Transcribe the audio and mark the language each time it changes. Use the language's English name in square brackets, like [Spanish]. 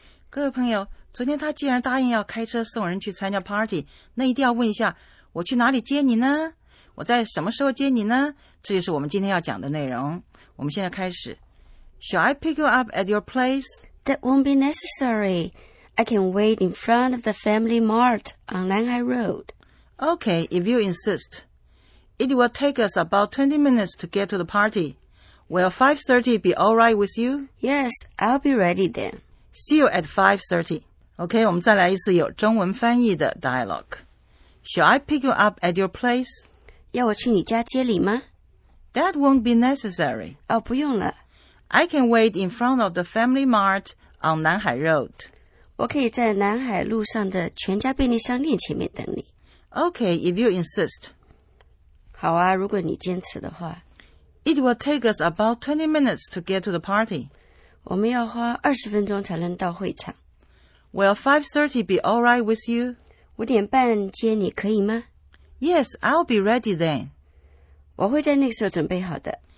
[Chinese] 各位朋友，昨天他既然答应要开车送人去参加 party， 那一定要问一下，我去哪里接你呢？我在什么时候接你呢？这就是我们今天要讲的内容。我们现在开始。 [English] Shall I pick you up at your place? That won't be necessary. I can wait in front of the Family Mart on Nanhai Road. Okay, if you insist. It will take us about 20 minutes to get to the party. Will 5:30 be all right with you? Yes, I'll be ready then. See you at 5:30. OK, [Chinese] 我们再来一次有中文翻译的 dialogue. [English] Shall I pick you up at your place? [Chinese] 要我去你家接你吗? [English] That won't be necessary. [Chinese] 哦，不用了。 [English] I can wait in front of the Family Mart on Nanhai Road. [Chinese] 我可以在南海路上的全家便利商店前面等你。 [English] OK, if you insist. [Chinese] 好啊，如果你坚持的话。 [English] It will take us about 20 minutes to get to the party. [Chinese] 我们要花20分钟才能到会场。 [English] Will 5:30 be all right with you? [Chinese] 五点半接你可以吗? [English] Yes, I'll be ready then. [Chinese] 我会在那个时候准备好的。